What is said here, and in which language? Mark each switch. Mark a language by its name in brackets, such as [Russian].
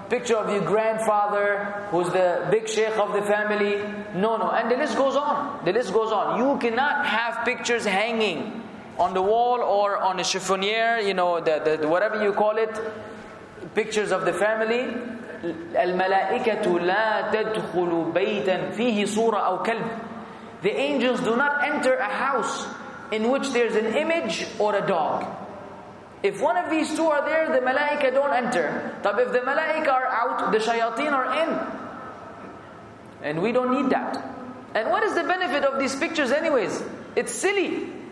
[English] Picture of your grandfather, who's the big sheikh of the family, no. And the list goes on. You cannot have pictures hanging on the wall or on a chiffonier, whatever you call it, pictures of the family. [Arabic] الملائكة لا تدخل بيتا فيه صورة أو كلب. [English] The angels do not enter a house in which there's an image or a dog. If one of these two are there, the malaika don't enter. But if the malaika are out, the shayateen are in. And we don't need that. And what is the benefit of these pictures anyways? It's silly.